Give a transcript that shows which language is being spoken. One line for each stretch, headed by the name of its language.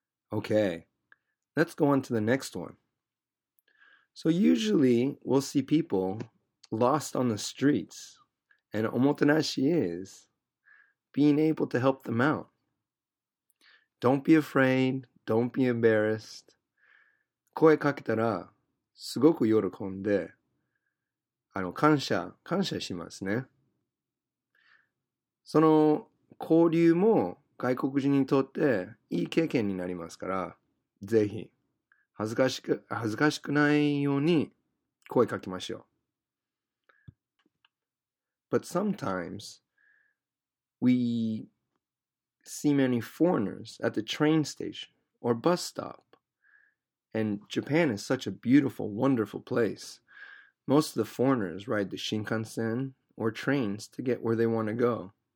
English: Okay, let's go on to the next one. So usually we'll see people lost on the streets, and omotenashi is being able to help them out. Don't be afraid, don't be embarrassed.
Japanese: 声かけたらすごく喜んで、感謝しますね。その交流も外国人にとっていい経験になりますから、ぜひ恥ずかしくないように声かけましょう。
English: But sometimes we see many foreigners at the train station or bus stop. And Japan is such a beautiful, wonderful place. Most of the foreigners ride the Shinkansen or trains to get where they want to go.